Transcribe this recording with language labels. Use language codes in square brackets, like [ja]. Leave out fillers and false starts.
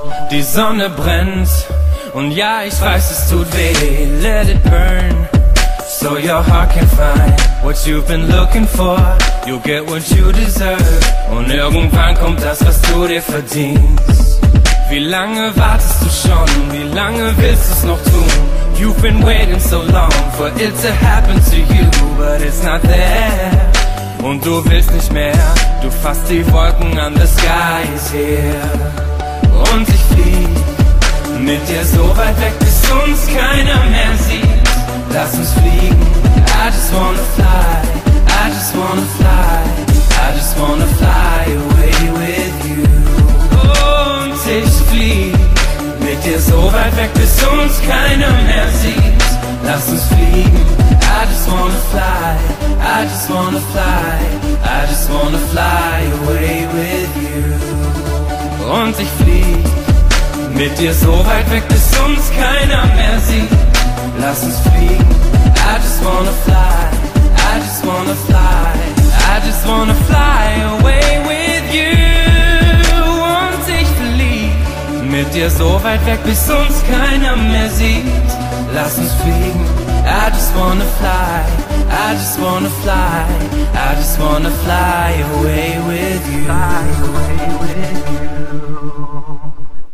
[de] Die Sonne brennt und ja, ich weiß, es tut weh. [en] Let it burn, so your heart can find what you've been looking for. You'll get what you deserve. [de] Und irgendwann kommt das, was du dir verdienst. Wie lange wartest du schon? Wie lange willst du's noch tun? [en] You've been waiting so long for it to happen to you. But it's not there, [de] und du willst nicht mehr. Du fasst die Wolken an, [en] the sky is here. [de] Und ich flieg mit dir so weit weg, bis uns keiner mehr sieht. Lass uns fliegen, [en] I just wanna fly. I just wanna fly. I just wanna fly away with you. [de] Und ich flieg mit dir so weit weg, bis uns keiner mehr sieht. Lass uns fliegen, [en] I just wanna fly. I just wanna fly. I just wanna fly away with you. [de] Und ich flieg mit dir so weit weg, bis uns keiner mehr sieht. Lass uns fliegen, [en] I just wanna fly. I just wanna fly. I just wanna fly away with you. [de] Und ich flieg mit dir so weit weg, bis uns keiner mehr sieht. Lass uns fliegen, [en] I just wanna fly. I just wanna fly. I just wanna fly away with you. Fly away with you. Thank you.